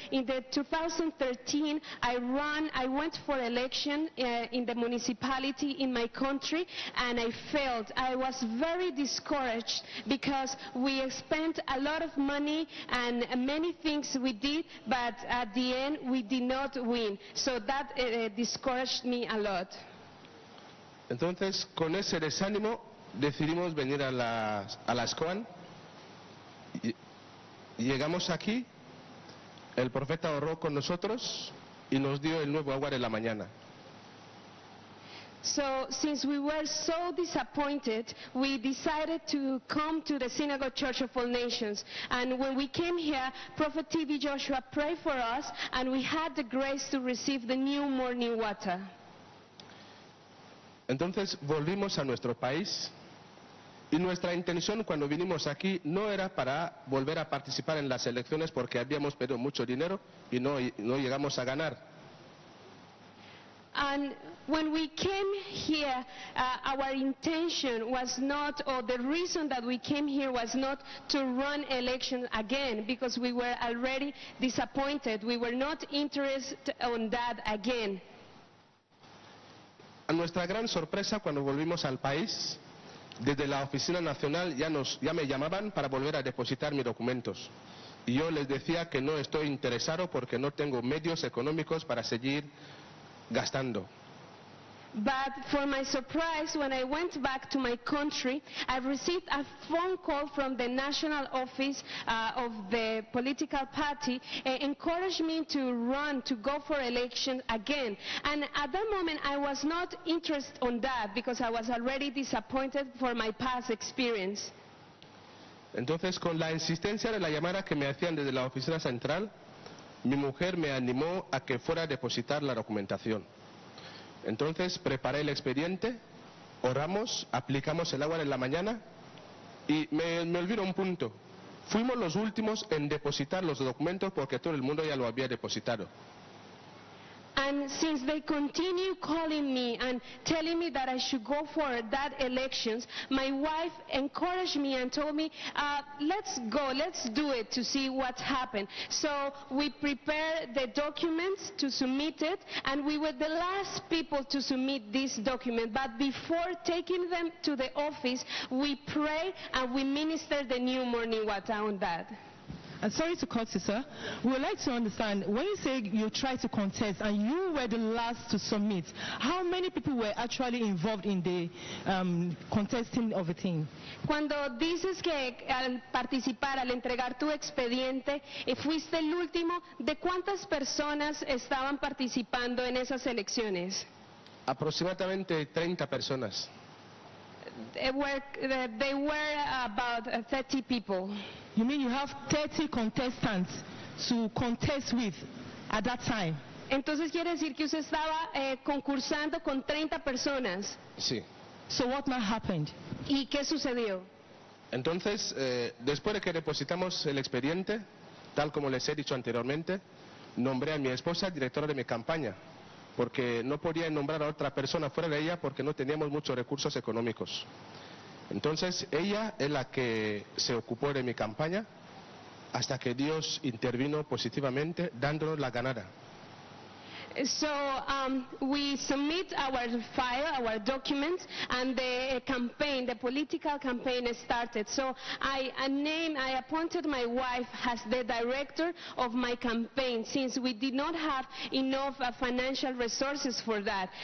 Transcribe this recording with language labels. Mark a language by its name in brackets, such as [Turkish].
[English] In the 2013, I went for election in the municipality in my country, and I failed. I was very discouraged because we spent a lot of money and many things we did, but at the end we did not win. So that discouraged me a lot. [Spanish] Entonces, con ese desánimo, decidimos venir a la SCOAN. Llegamos aquí, el profeta oró con nosotros y nos dio el nuevo agua de la mañana. [English] So, since we were so disappointed, we decided to come to the Synagogue Church of All Nations. And when we came here, Prophet TB Joshua prayed for us, and we had the grace to receive the new morning water. [Spanish] Entonces, volvimos a nuestro país, y nuestra intención cuando vinimos aquí no era para volver a participar en las elecciones porque habíamos perdido mucho dinero y no llegamos a ganar. [English] And when we came here, our intention was not, or the reason that we came here was not to run elections again, because we were already disappointed. We were not interested on that again. [Spanish] A nuestra gran sorpresa, cuando volvimos al país, desde la oficina nacional ya me llamaban para volver a depositar mis documentos. Y yo les decía que no estoy interesado porque no tengo medios económicos para seguir gastando. [English] But for my surprise, when I went back to my country, I received a phone call from the national office of the political party, encouraged me to run, to go for election again. And at that moment, I was not interested on that because I was already disappointed for my past experience. [Spanish] Entonces, con la insistencia de la llamada que me hacían desde la oficina central, mi mujer me animó a que fuera a depositar la documentación. Entonces preparé el expediente, oramos, aplicamos el agua en la mañana y me olvido un punto. Fuimos los últimos en depositar los documentos porque todo el mundo ya lo había depositado. [English] And since they continue calling me and telling me that I should go for that elections, my wife encouraged me and told me, let's go, let's do it to see what happened. So we prepared the documents to submit it, and we were the last people to submit this document. But before taking them to the office, we pray and we minister the new morning water on that. Sorry to cut you, sir. We would like to understand, when you say you tried to contest and you were the last to submit, how many people were actually involved in the contesting of a thing? [Spanish] Cuando dices que al participar, al entregar tu expediente, fuiste el último, ¿de cuántas personas estaban participando en esas elecciones? Aproximadamente 30 personas. [English] They were about 30 people. You mean you have 30 contestants to contest with at that time? [Spanish] Entonces quiere decir que usted estaba concursando con 30 personas. Sí. [English] So what now happened? [Spanish] ¿Y qué sucedió? Entonces, después de que depositamos el expediente, tal como les he dicho anteriormente, nombré a mi esposa directora de mi campaña, porque no podía nombrar a otra persona fuera de ella porque no teníamos muchos recursos económicos. Entonces, ella es la que se ocupó de mi campaña hasta que Dios intervino positivamente dándonos la ganada. [English] So we submit our file, our document, and the campaign, the political campaign started. So I appointed my wife as the director of my campaign, since we did not have enough financial resources for that.